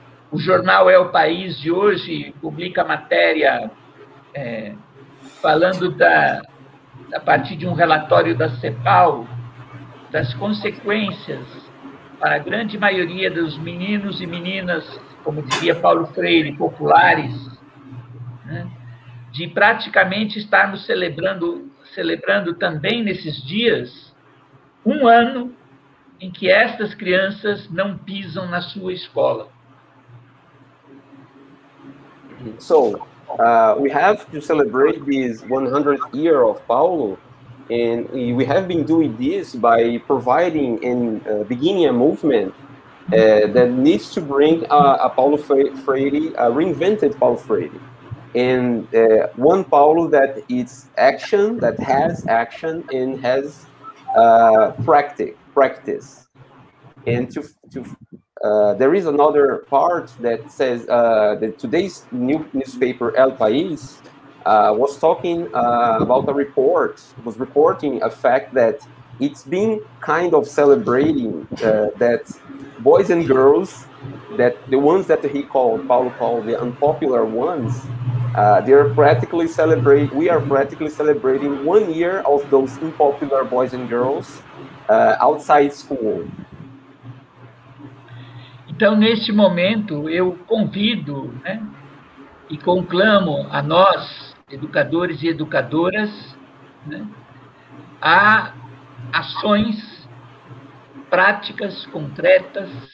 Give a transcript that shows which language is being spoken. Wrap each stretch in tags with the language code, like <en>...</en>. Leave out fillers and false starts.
<pt>O jornal É o País de hoje publica a matéria falando a partir de um relatório da CEPAL, das consequências para a grande maioria dos meninos e meninas, como dizia Paulo Freire, populares, né, de praticamente estarmos celebrando também nesses dias um ano em que estas crianças não pisam na sua escola.</pt> <en>So, we have to celebrate this 100th year of Paulo, and we have been doing this by providing and beginning a movement that needs to bring a Paulo Freire, a reinvented Paulo Freire. in one Paulo that it's action, that has action and has practice. And there is another part that says that today's new newspaper El País was talking about a report, was reporting a fact that it's been kind of celebrating that boys and girls, that the ones that he called, Paulo called the unpopular ones, we are practically celebrating 1 year of those unpopular boys and girls outside school.</en> <pt>Então, neste momento, eu convido, né, e conclamo a nós, educadores e educadoras, né, a ações práticas, concretas,</pt>